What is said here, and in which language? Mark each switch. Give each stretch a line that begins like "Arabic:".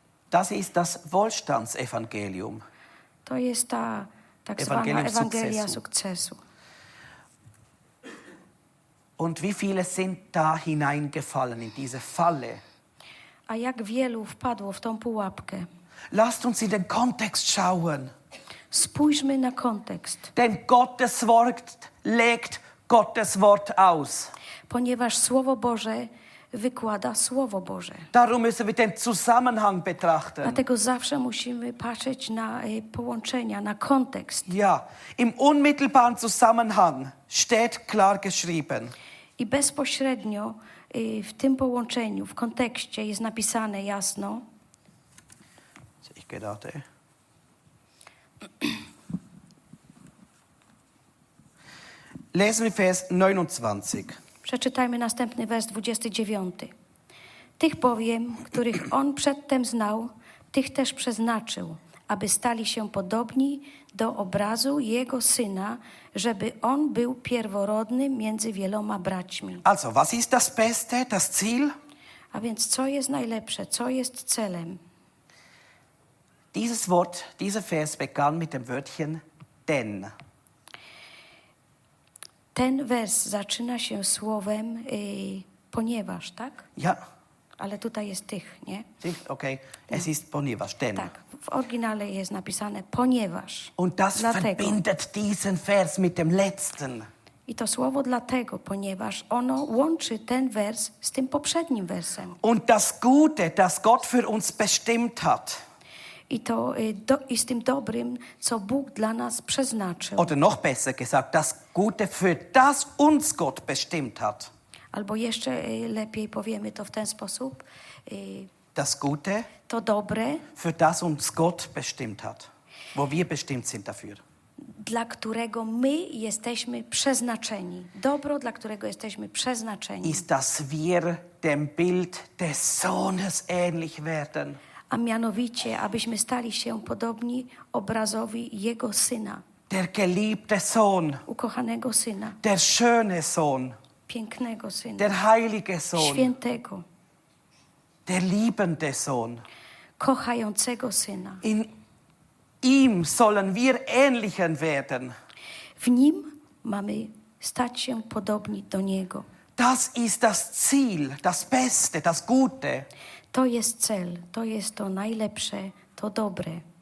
German: Das ist das Wohlstandsevangelium.
Polish: To jest ta tak Evangelium zwana Ewangelia sukcesu.
German: Und wie viele sind da hineingefallen in diese Falle?
Polish: A jak wielu wpadło w tą pułapkę?
German: Lasst uns in den Kontext schauen.
Polish: Spójrzmy na kontekst.
German: Denn Gottes Wort legt Gottes Wort aus.
Polish: Ponieważ Słowo Boże wykłada Słowo Boże.
German: Darum müssen wir den Zusammenhang betrachten.
Polish: Dlatego zawsze musimy patrzeć na połączenia, na kontekst.
German: Ja, im unmittelbaren Zusammenhang steht klar geschrieben.
Polish: I bezpośrednio w tym połączeniu, w kontekście jest napisane jasno.
German: Ich gehe da hin. Lesen wir Vers 29.
Polish: Przeczytajmy następny wers 29. Tych bowiem, których on przedtem znał, tych też przeznaczył, aby stali się podobni do obrazu jego syna, żeby on był pierworodny między wieloma braćmi.
German: Also, was ist das Beste, das Ziel?
Polish: A więc co jest najlepsze, co jest celem?
German: Dieses Wort, dieser Vers begann mit dem Wörtchen denn.
Polish: Ten wers zaczyna się słowem ponieważ, tak?
German: Ja.
Polish: Ale tutaj jest tych, nie? Tych, okej.
German: Okay. Es ist ponieważ, denn.
Polish: Tak, w oryginale jest napisane ponieważ.
German: Und das dlatego. Verbindet diesen Vers mit dem letzten.
Polish: I to słowo dlatego, ponieważ ono łączy ten wers z tym poprzednim wersem.
German: Und das Gute, das Gott für uns bestimmt hat.
Polish: I to i z tym dobrym, co Bóg dla nas przeznaczył.
German: Oder noch besser gesagt, das Gute, für das uns Gott bestimmt hat.
Polish: Albo jeszcze lepiej powiemy to w ten sposób.
German: Das Gute,
Polish: to dobre,
German: für das uns Gott bestimmt hat. Wo wir bestimmt sind dafür.
Polish: Dla którego my jesteśmy przeznaczeni. Dobro, dla którego jesteśmy przeznaczeni.
German: Ist, dass wir dem Bild des Sohnes ähnlich werden.
Polish: a mianowicie, abyśmy stali się podobni obrazowi Jego Syna.
German: Der geliebte Sohn.
Polish: Ukochanego Syna.
German: Der schöne Sohn.
Polish: Pięknego Syna.
German: Der heilige Sohn.
Polish: Świętego.
German: Der liebende Sohn.
Polish: Kochającego Syna.
German: In ihm sollen wir ähnlichen werden.
Polish: W nim mamy stać się podobni do Niego.
German: Das ist das Ziel, das Beste, das Gute.
Polish: To jest cel, to jest to najlepsze, to dobre.